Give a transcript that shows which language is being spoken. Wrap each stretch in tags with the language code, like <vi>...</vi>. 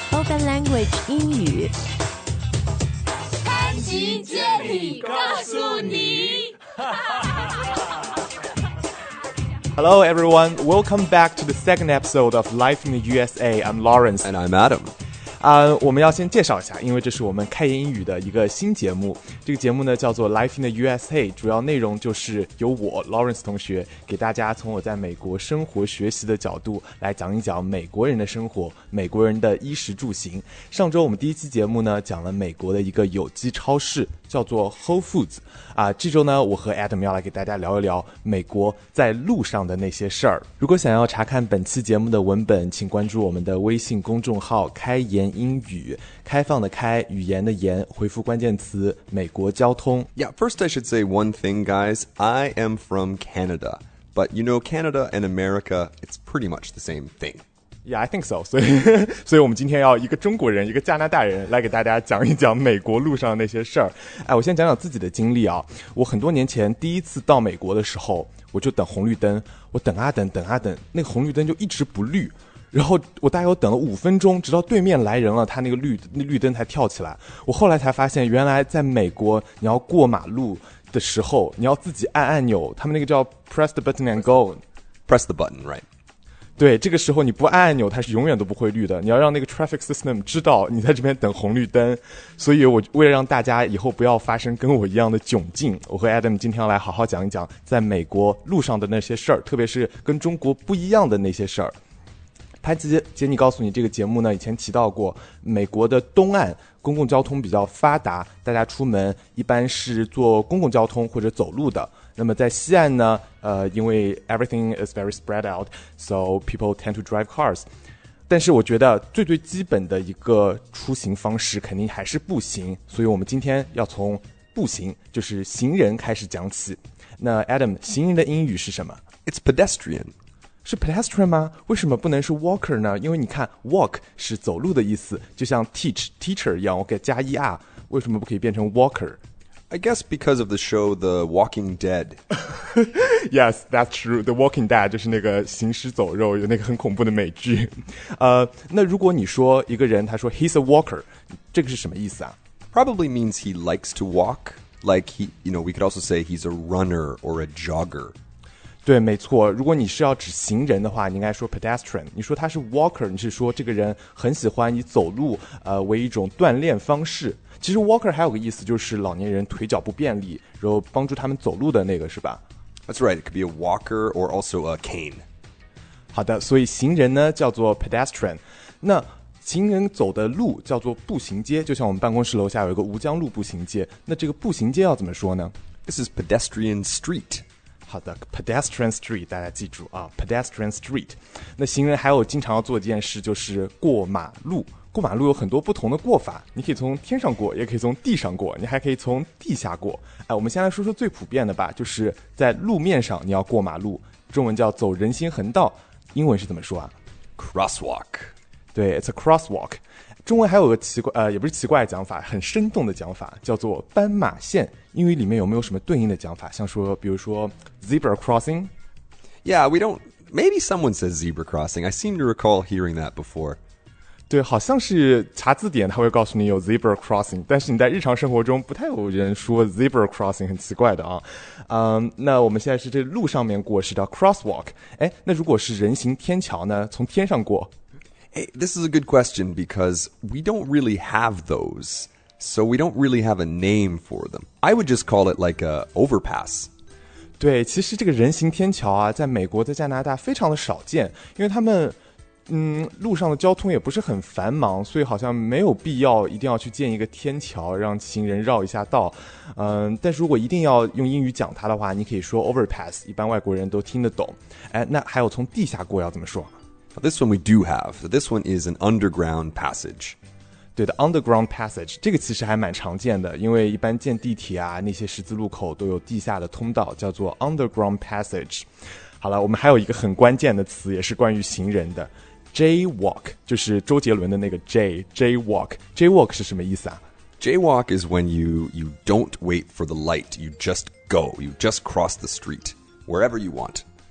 <en>the language 英语。</en> <zh>潘吉接你告诉你。</zh> <en>Hello everyone, welcome back to the second episode of Life in the USA. I'm Lawrence. And I'm Adam.</en> <zh>我们要先介绍一下，因为这是我们开言英语的一个新节目。这个节目呢叫做 Life in the USA, 主要内容就是由我 Lawrence 同学给大家从我在美国生活学习的角度来讲一讲美国人的生活，美国人的衣食住行。上周我们第一期节目呢讲了美国的一个有机超市叫做 Whole Foods, 这周呢我和 Adam 要来给大家聊一聊美国在路上的那些事儿。如果想要查看本期节目的文本，请关注我们的微信公众号开言英语，开放的开，语言的言，回复关键词美国交通。</zh> <en>Yeah, first I should say one thing guys, I am from Canada, but you know Canada and America, it's pretty much the same thing. Yeah, I think so.</en> <zh>所以我们今天要一个中国人，一个加拿大人来给大家讲一讲美国路上的那些事儿。哎，我先讲讲自己的经历啊。我很多年前第一次到美国的时候，我就等红绿灯，我等啊等，等啊等，那个红绿灯就一直不绿。然后我大概我等了5分钟，直到对面来人了，他那个绿灯才跳起来。我后来才发现，原来在美国你要过马路的时候，你要自己按按钮，他们那个叫</zh> <en>press the button and go,</en> <zh>press the button, right? 对，这个时候你不按按钮它是永远都不会绿的，你要让那个</zh> <en>traffic system</en> <zh>知道你在这边等红绿灯。所以我为了让大家以后不要发生跟我一样的窘境，我和 Adam 今天要来好好讲一讲在美国路上的那些事儿，特别是跟中国不一样的那些事儿。潘吉接你告诉你这个节目呢，以前提到过美国的东岸公共交通比较发达，大家出门一般是坐公共交通或者走路的。那么在西岸呢，因为</zh> <en>everything is very spread out, so people tend to drive cars.</en> <zh>但是我觉得最最基本的一个出行方式肯定还是步行，所以我们今天要从步行，就是行人开始讲起。那 Adam, 行人的英语是什么？</zh> <en>It's pedestrian.</en> <zh>是 pedestrian 吗？为什么不能是 walker 呢？因为你看 walk 是走路的意思，就像 teach, teacher 一样，我给加 er, 为什么不可以变成 walker?</zh> <en>I guess because of the show The Walking Dead. Yes, that's true.</en> <zh>The Walking Dead 就是那个行尸走肉，有那个很恐怖的美剧。那如果你说一个人，他说</zh> <en>he's a walker,</en> <zh>这个是什么意思啊？</zh> <en>Probably means he likes to walk. Like, he, you know, we could also say he's a runner or a jogger.</en> <zh>对，没错。如果你是要指行人的话，你应该说 pedestrian. 你说他是 walker, 你是说这个人很喜欢以走路为一种锻炼方式。其实 walker 还有个意思，就是老年人腿脚不便利，然后帮助他们走路的那个，是吧？</zh> <en>That's right, it could be a walker or also a cane.</en> <zh>好的，所以行人呢叫做 pedestrian, 那行人走的路叫做步行街，就像我们办公室楼下有一个吴江路步行街，那这个步行街要怎么说呢？</zh> <en>This is pedestrian street.</en> <zh>好的 ,pedestrian street, 大家记住啊 ,pedestrian street。那行人还有经常要做一件事，就是过马路。过马路有很多不同的过法，你可以从天上过，也可以从地上过，你还可以从地下过。哎，我们先来说说最普遍的吧，就是在路面上你要过马路，中文叫走人行横道，英文是怎么说啊</zh> <en>?crosswalk。</en> <zh>对 ,</zh> <en>it's a crosswalk。</en> <zh>中文还有个奇怪也不是奇怪的讲法，很生动的讲法，叫做斑马线。英语里面有没有什么对应的讲法，像说比如说 zebra crossing?</zh> <en>Yeah, we don't, maybe someone says zebra crossing. I seem to recall hearing that before.</en> <zh>对，好像是查字典他会告诉你有 zebra crossing, 但是你在日常生活中不太有人说 zebra crossing, 很奇怪的啊。那我们现在是这路上面过，是叫 crosswalk。诶，那如果是人行天桥呢，从天上过。</zh> <en>Hey, this is a good question because we don't really have those, so we don't really have a name for them. I would just call it like a overpass.</en> <zh>对，其实这个人行天桥啊，在美国在加拿大非常的少见，因为他们路上的交通也不是很繁忙，所以好像没有必要一定要去建一个天桥让行人绕一下道。但是如果一定要用英语讲它的话，你可以说 overpass, 一般外国人都听得懂。哎，那还有从地下过要怎么说？</zh> <en>This one we do have. This one is an underground passage.</en> <zh>对的 ,underground passage. 这个其实还蛮常见的，因为一般建地铁啊，那些十字路口都有地下的通道，叫做 underground passage. 好了，我们还有一个很关键的词，也是关于行人的 ,jaywalk, 就是周杰伦的那个 jaywalk. Jaywalk 是什么意思啊？</zh> <en>Jaywalk is when you don't wait for the light, you just go, you just cross the street, wherever you want.</en>